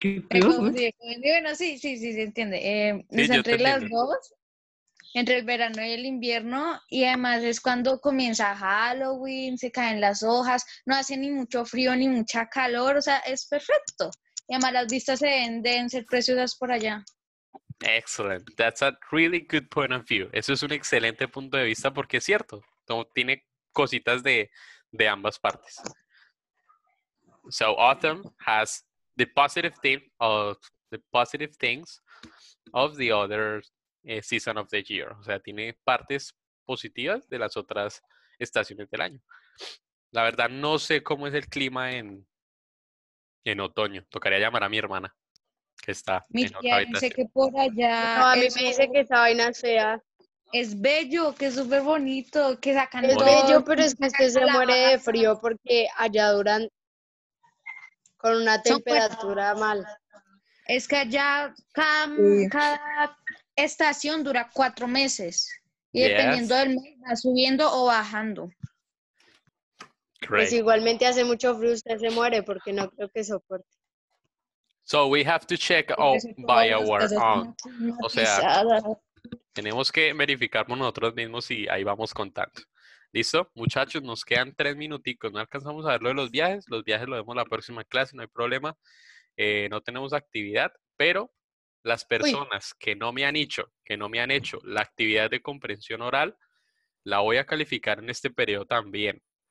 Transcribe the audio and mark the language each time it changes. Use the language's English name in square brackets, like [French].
[Spanish] Bueno, sí, entiende. Sí, entre las dos, entre el verano y el invierno, y además es cuando comienza Halloween, se caen las hojas, no hace ni mucho frío ni mucha calor, o sea, es perfecto. Y además las vistas se ven, deben ser preciosas por allá. [English] Excellent. That's a really good point of view. [Spanish] Eso es un excelente punto de vista porque es cierto. Como tiene cositas de ambas partes. [English] So autumn has the positive things of the other season of the year. [Spanish] O sea, tiene partes positivas de las otras estaciones del año. La verdad, no sé cómo es el clima en otoño. Tocaría llamar a mi hermana, que está mi en otra habitación. Dice que por allá... No, a mí me dice que esa vaina sea... Es bello, que es súper bonito, que sacan es todo. Es bello, pero es que usted se muere de frío porque allá duran con una temperatura mal. Es que allá cada estación dura 4 meses. Y dependiendo del mes, va subiendo o bajando. Great. Pues igualmente hace mucho frío, usted se muere porque no creo que soporte. [English] So we have to check by our own. [Spanish] O sea, tenemos que verificar por nosotros mismos y ahí vamos contando. ¿Listo? Muchachos, nos quedan 3 minuticos. No alcanzamos a ver lo de los viajes. Los viajes los vemos la próxima clase, no hay problema. No tenemos actividad, pero... Las personas que no me han hecho la actividad de comprensión oral, la voy a calificar en este periodo también.